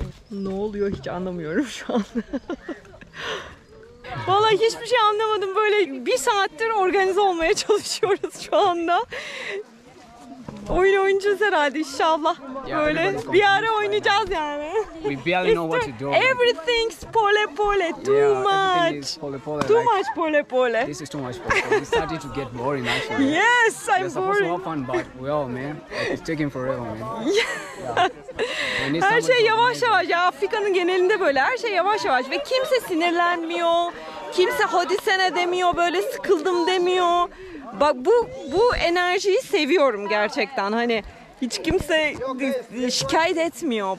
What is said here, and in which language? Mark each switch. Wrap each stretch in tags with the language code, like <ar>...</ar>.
<tr>Ne oluyor hiç anlamıyorum şu an. Vallahi hiçbir şey anlamadım. Böyle bir saattir organize olmaya çalışıyoruz şu anda. Oyun oynayacağız herhalde inşallah. Böyle bir ara oynayacağız yani.</tr> <en>We barely know what to do. Everything's pole pole, too much. Pole pole. Too much pole pole. This is too much pole pole. We started to get boring actually. Yes, I'm boring. We're supposed to have fun, but we all, man. It's taking forever, man.</en> <tr>Yeah. Her şey yavaş yavaş. Ya Afrika'nın genelinde böyle. Her şey yavaş yavaş. Ve kimse sinirlenmiyor. Kimse hadi sene demiyor. Böyle sıkıldım demiyor. Bak bu enerjiyi seviyorum gerçekten. Hani hiç kimse şikayet etmiyor.</tr>